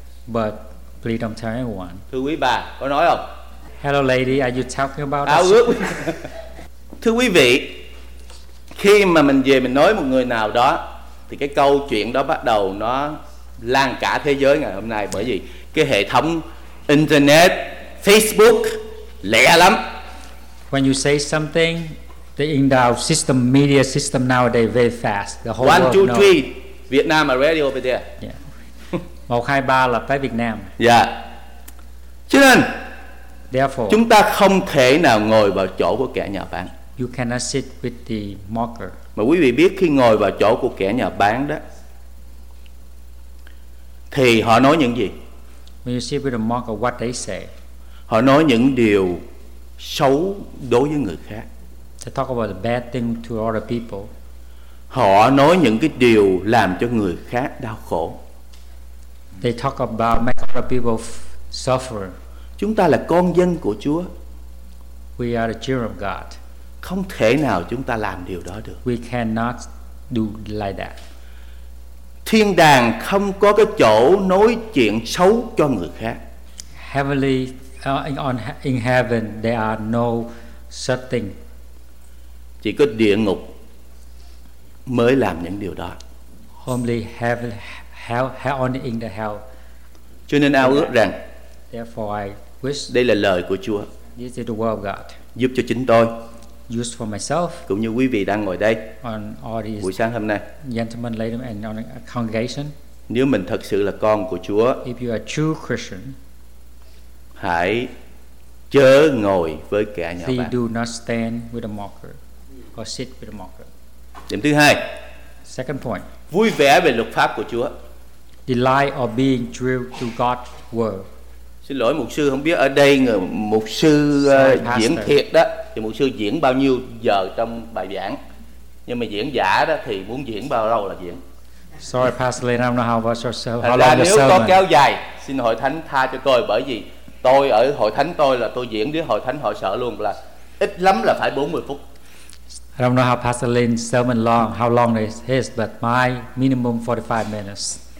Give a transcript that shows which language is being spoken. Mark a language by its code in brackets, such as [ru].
[en] But please don't tell anyone. [vi] Thưa quý bà, có nói không? [en] Hello lady, are you talking about? [vi] Thưa quý vị, khi mà mình về mình nói một người nào đó, thì cái câu chuyện đó bắt đầu nó lan cả thế giới ngày hôm nay. Bởi vì cái hệ thống internet, Facebook lẹ lắm. [en] When you say something, the in-dial system, media system nowadays very fast. The whole 1, 2, 3 Việt Nam radio over there. Yeah. [vi] 1, 2, 3 là tới Việt Nam. [en] Yeah. [vi] Cho nên, [en] therefore, [vi] chúng ta không thể nào ngồi vào chỗ của kẻ nhà bán. [en] You cannot sit with the mocker. [vi] Mà quý vị biết khi ngồi vào chỗ của kẻ nhà bán đó, thì họ nói những gì? [en] When you sit with the mocker, what they say? [vi] Họ nói những điều xấu đối với người khác. [en] They talk about the bad thing to other people. [vi] Họ nói những cái điều làm cho người khác đau khổ. [en] They talk about make other people suffer. [vi] Chúng ta là con dân của Chúa. [en] We are the children of God. [vi] Không thể nào chúng ta làm điều đó được. [en] We cannot do like that. [vi] Thiên đàng không có cái chỗ nói chuyện xấu cho người khác. [en] Heavenly, in heaven, there are no such thing. [vi] Chỉ có địa ngục mới làm những điều đó. [en] Only heaven, hell, only in the hell. [vi] Cho nên ao ước rằng, [en] therefore I wish, [vi] đây là lời của Chúa. [en] This is the word of God. [vi] Giúp cho chính tôi, [en] use for myself, [vi] cũng như quý vị đang ngồi đây [en] on all these [vi] buổi sáng hôm nay, [en] gentlemen, ladies, and on a congregation. [vi] Nếu mình thật sự là con của Chúa, [en] if you are true Christian, [vi] hãy chớ ngồi với kẻ nhà bán. [en] Do not stand with a mocker or sit with a mocker. [vi] Điểm thứ hai. [en] Second point. [vi] Vui vẻ về luật pháp của Chúa. [en] Delight of being true to God's word. [vi] Xin lỗi mục sư, không biết ở đây người mục sư diễn thiệt đó thì mục sư diễn bao nhiêu giờ trong bài giảng. Nhưng mà diễn giả đó thì muốn diễn bao lâu là diễn. [en] Sorry Pastor Lee, I don't know how long your sermon. [vi] Là nếu có kéo dài, xin hội thánh tha cho tôi, bởi vì tôi ở hội thánh tôi là tôi diễn đến hội thánh họ sợ luôn, là ít lắm là phải 40 phút. [en] I don't know how Pastor Lin's sermon long, how long it is, but my minimum 45 minutes.